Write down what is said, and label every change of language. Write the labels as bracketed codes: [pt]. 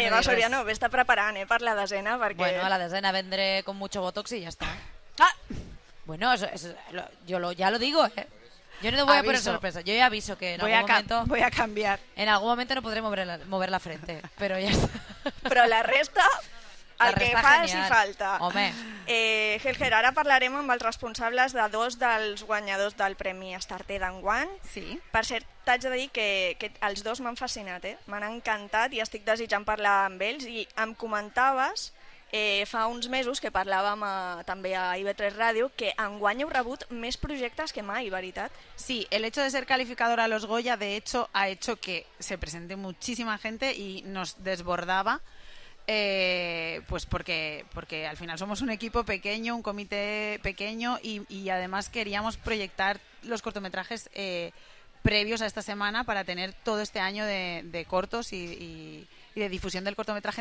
[ca] Eva Soriano, ves-te preparant per la desena. Perquè... [es] Bueno, a la desena vendré con mucho botox [ca] i ja està. Ah! [es] Bueno, yo lo digo, ¿eh? Yo no te voy a poner sorpresa, yo ya aviso que voy a cambiar. En algún momento no podré mover la frente, pero ya está. [ca] Pero la resta, el la resta que fas i falta. Home. Helger, ara parlarem amb els responsables de dos dels guanyadors del Premi Astarte d'enguany. Sí. Per cert, t'haig de dir que els dos m'han fascinat, m'han encantat i estic desitjant parlar amb ells. I em comentaves... fa uns mesos que parlàvem també a IB3 Ràdio que enguany heu rebut més projectes que mai, veritat? [es] Sí, el hecho de ser calificadora a los Goya, de hecho, ha hecho que se presente muchísima gente y nos desbordaba. Pues porque al final somos un equipo pequeño, un comité pequeño, y además queríamos proyectar los cortometrajes previos a esta semana para tener todo este año de cortos y de difusión del cortometraje.